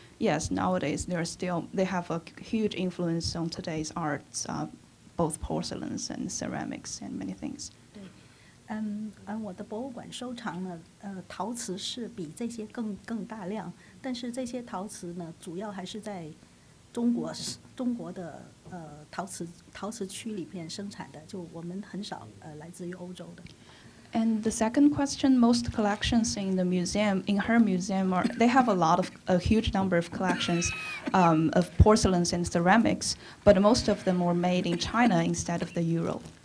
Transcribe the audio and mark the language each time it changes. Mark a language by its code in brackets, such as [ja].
[en] Yes, nowadays they are still, they have a huge influence on today's arts, both porcelains and ceramics and many things. [zh] 对，我的博物馆收藏呢，陶瓷是比这些更大量，但是这些陶瓷呢，主要还是在中国的陶瓷区里面生产的，就我们很少来自于欧洲的。 [en] And the second question, most collections in the museum, in her museum, are, they have a huge number of collections of porcelains and ceramics, but most of them were made in China instead of the Euro.